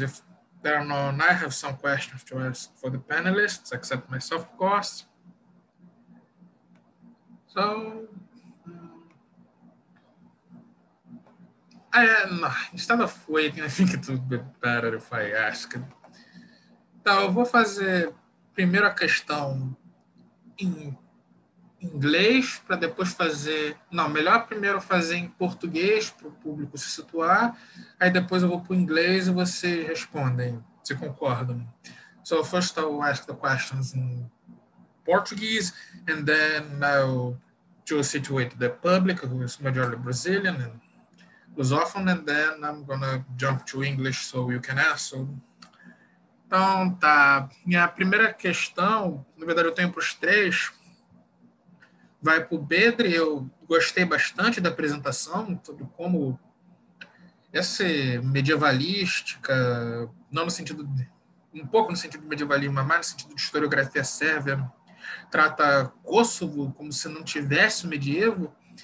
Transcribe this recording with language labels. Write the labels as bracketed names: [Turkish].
[English] If there are none, I have some questions to ask for the panelists, except myself, of course. So, instead of waiting, I think it would be better if I asked. [Portuguese] Então, eu vou fazer primeiro a questão em inglês, para depois fazer... Não, melhor primeiro fazer em português, para o público se situar, aí depois eu vou para o inglês e vocês respondem, se concordam. [English] So, first I'll ask the questions in Portuguese, and then I'll to situate the public, who is majority Brazilian and Lusophone, and then I'm going to jump to English so you can ask. [Portuguese] So, então, tá. Minha primeira questão, na verdade eu tenho para os três, vai para o Bedri. Eu gostei bastante da apresentação, sobre como essa medievalística, não no sentido de, um pouco no sentido de medievalismo, mas mais no sentido de historiografia sérvia, trata Kosovo como se não tivesse o medievo.